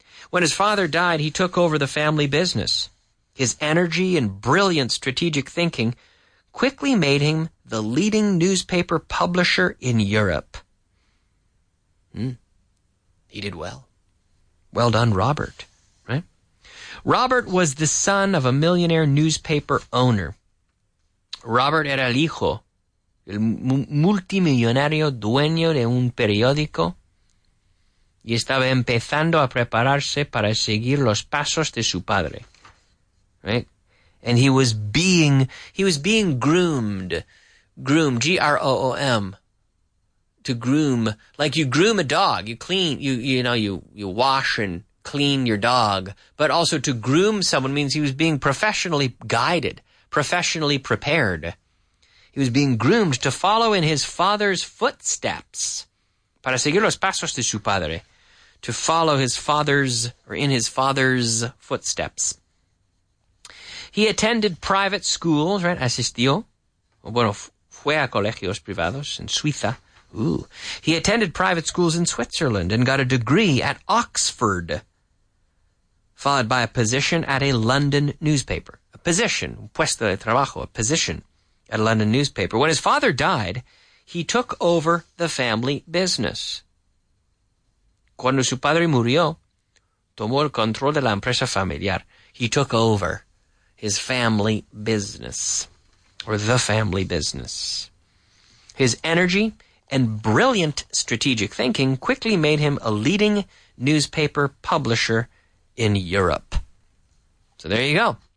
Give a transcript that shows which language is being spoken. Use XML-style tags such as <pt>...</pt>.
<en>When his father died, he took over the family business. His energy and brilliant strategic thinking quickly made him the leading newspaper publisher in Europe. He did well. Well done, Robert. Robert was the son of a millionaire newspaper owner.</en> <es>Robert era el hijo, el multimillonario dueño de un periódico, y estaba empezando a prepararse para seguir los pasos de su padre.</es> <en>Right? And he was being groomed, G-R-O-O-M, to groom, like you groom a dog, you clean, you wash and clean your dog, but also to groom someone means he was being professionally guided, professionally prepared. He was being groomed to follow in his father's footsteps.</en> <es>Para seguir los pasos de su padre.</es> <en>To follow his father's, or in his father's footsteps. He attended private schools, right?</en> <es>Asistió. Bueno, fue a colegios privados en Suiza. Ooh.</es> <en>He attended private schools in Switzerland and got a degree at Oxford, followed by a position at a London newspaper. A position,</en> <es>un puesto de trabajo,</es> <en>a position at a London newspaper. When his father died, he took over the family business.</en> <es>Cuando su padre murió, tomó el control de la empresa familiar.</es> <en>He took over his family business, or the family business. His energy and brilliant strategic thinking quickly made him a leading newspaper publisher in Europe. So there you go.</en>